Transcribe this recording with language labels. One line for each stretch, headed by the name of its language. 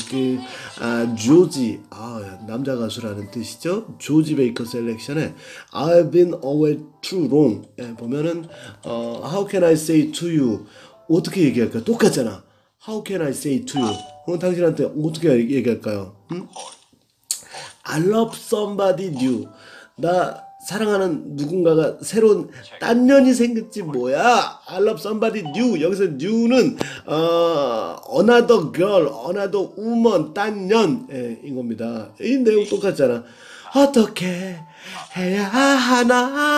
Korean: 그, 아, 조지, 아, 남자 가수라는 뜻이죠. 조지 베이커 셀렉션의
English: I've been always too wrong.
Korean: 예, 보면은,
English: How can I say to you?
Korean: 어떻게 얘기할까요? 똑같잖아.
English: How can I say to you?
Korean: 그럼 당신한테 어떻게 얘기할까요? 응?
English: I love somebody new.
Korean: 나 사랑하는 누군가가 새로운 딴 년이 생겼지 뭐야
English: I love somebody new
Korean: 여기서 new는
English: another girl another woman
Korean: 딴 년인 겁니다 이 내용 똑같잖아 어떻게 해야 하나